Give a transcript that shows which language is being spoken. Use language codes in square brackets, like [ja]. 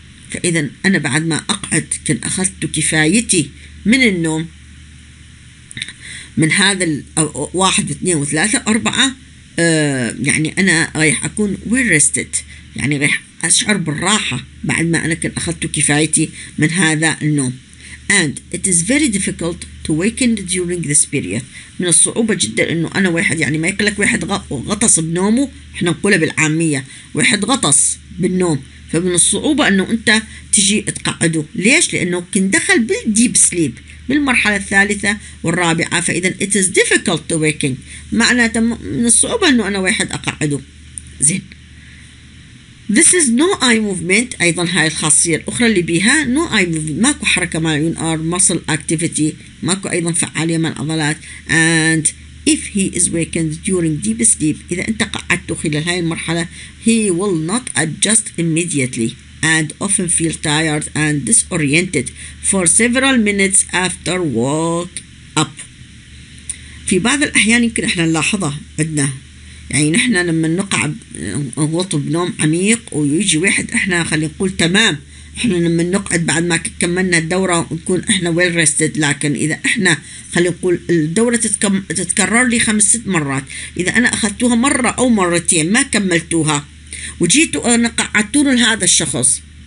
[ar] فإذا أنا بعد ما أقعد كن أخذت كفايتي من النوم من هذا واحد واثنين وثلاثة أربعة، يعني أنا رايح أكون [en] well rested، [ar] يعني رايح أشعر بالراحة بعد ما أنا كن أخذت كفايتي من هذا النوم. [en] And it is very difficult to waken during this period. [ar] من الصعوبة جدا إنه أنا واحد، يعني ما يقلك واحد غطس بنومه، إحنا نقوله بالعامية واحد غطس بالنوم، فمن الصعوبة إنه أنت تجي تقعده. ليش؟ لأنه كن دخل بالديب سليب بالمرحلة الثالثة والرابعة، فإذا [en] it is difficult to waken [ar] معناته من الصعوبة إنه أنا واحد أقعده. زين [en] this is no eye movement، [ar] ايضا هاي الخاصيه الاخرى اللي بيها [en] no eye movement، [ar] ماكو حركه مال عيون ار [en] muscle activity، [ar] ماكو ايضا فعاليه مال عضلات. [en] and if he is wakened during deep sleep، [ar] اذا انت قعدته خلال هاي المرحله [en] he will not adjust immediately and often feel tired and disoriented for several minutes after wake up. [ar] في بعض الاحيان يمكن احنا نلاحظها عندنا، يعني نحن لما نقع نغطب نوم عميق ويجي واحد احنا خلي نقول تمام، احنا لما نقعد بعد ما كملنا الدورة نكون احنا [en] well rested، [ar] لكن اذا احنا خلي نقول الدورة تتكرر لي 5-6 مرات، اذا انا اخذتوها مرة او مرتين ما كملتوها وجيتوا انا قعدتون لهذا الشخص